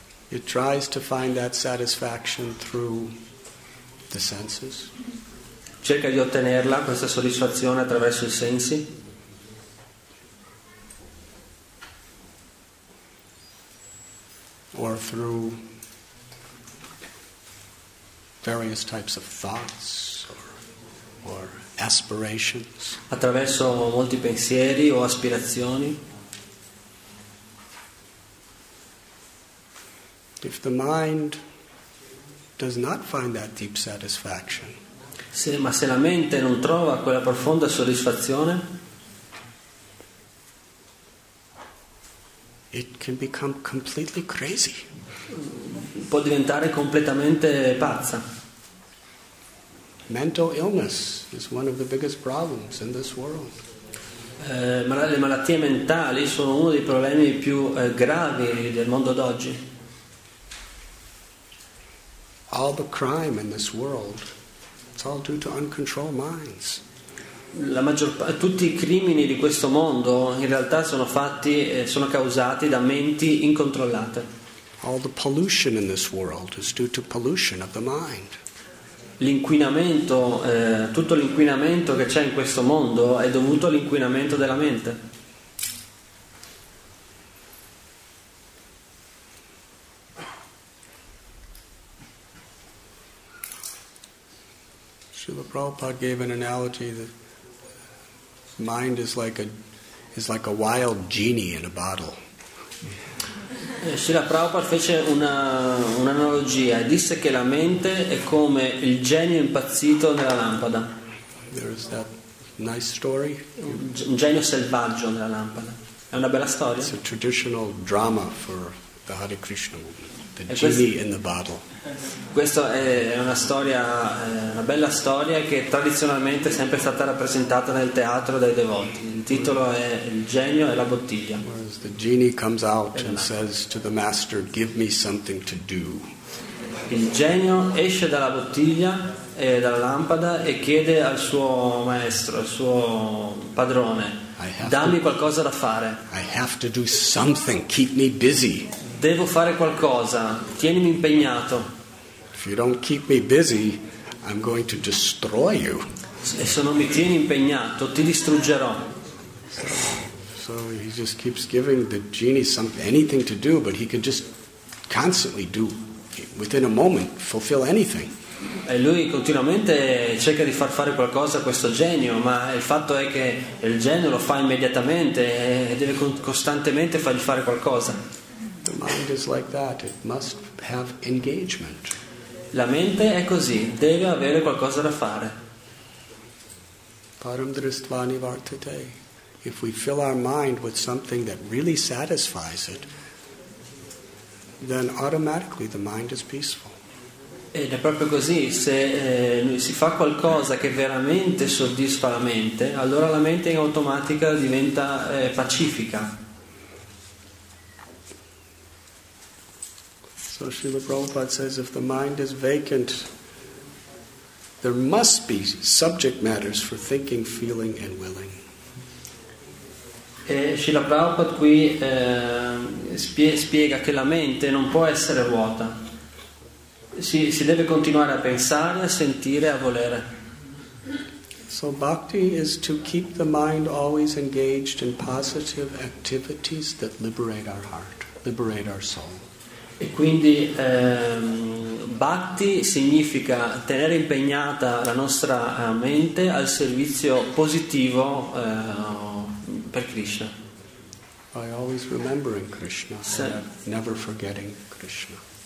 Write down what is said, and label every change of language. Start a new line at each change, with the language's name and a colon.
English: It tries to find that satisfaction through the senses.
Italian: Cerca di ottenerla questa soddisfazione attraverso i sensi.
English: Or through various types of thoughts or aspirations.
Italian: Attraverso molti pensieri o aspirazioni.
English: If the mind does not find that deep satisfaction,
Italian: se la mente non trova quella profonda soddisfazione,
English: it can become completely crazy.
Italian: Può diventare completamente pazza.
English: Mental illness is one of the biggest problems in this world.
Italian: Le malattie mentali sono uno dei problemi più gravi del mondo d'oggi.
English: All the crime in this world, it's all due to uncontrolled minds.
Italian: Tutti i crimini di questo mondo in realtà sono causati da menti incontrollate.
English: All the pollution in this world is due to pollution of the mind.
Italian: Tutto l'inquinamento che c'è in questo mondo è dovuto all'inquinamento della mente.
English: Srila Prabhupada gave an analogy that mind is like a wild genie in a bottle.
Italian: Srila Prabhupada fece un'analogia e disse che la mente è come il genio impazzito nella lampada.
English: There is that nice story.
Italian: Un genio selvaggio nella lampada. È una bella storia.
English: It's a traditional drama for the Hare Krishna movement. The genie in the bottle.
Italian: Questa è una bella storia che tradizionalmente è sempre stata rappresentata nel teatro dai devoti. Il titolo è Il genio e la bottiglia.
English: Whereas the genie comes out and says to the master, give me something to do.
Italian: Il genio esce dalla bottiglia e dalla lampada e chiede al suo maestro, al suo padrone, dammi qualcosa da fare.
English: I have to do something, keep me busy.
Italian: Devo fare qualcosa, tienimi impegnato.
English: If you don't keep me busy, I'm going to destroy you.
Italian: E se non mi tieni impegnato, ti distruggerò.
English: So he just keeps giving the genie anything to do, but he can just constantly do, within a moment, fulfill anything.
Italian: E lui continuamente cerca di far fare qualcosa a questo genio, ma il fatto è che il genio lo fa immediatamente e deve costantemente fargli fare qualcosa.
English: The mind is like that. It must have engagement.
Italian: La mente è così, deve avere qualcosa da fare.
Sanskrit: Param drishtvani vartate.
English: If we fill our mind with something that really satisfies it, then automatically the mind is peaceful.
Italian: Ed è proprio così, se si fa qualcosa che veramente soddisfa la mente, allora la mente in automatica diventa pacifica.
English: So Srila Prabhupada says if the mind is vacant, there must be subject matters for thinking, feeling and willing.
Italian: E Srila Prabhupada qui spiega che la mente non può essere vuota. Si deve continuare a pensare, a sentire, a volere.
English: So bhakti is to keep the mind always engaged in positive activities that liberate our heart, liberate our soul.
Italian: E quindi bhakti significa tenere impegnata la nostra mente al servizio positivo per Krishna.
English: By always remembering Krishna, never forgetting Krishna.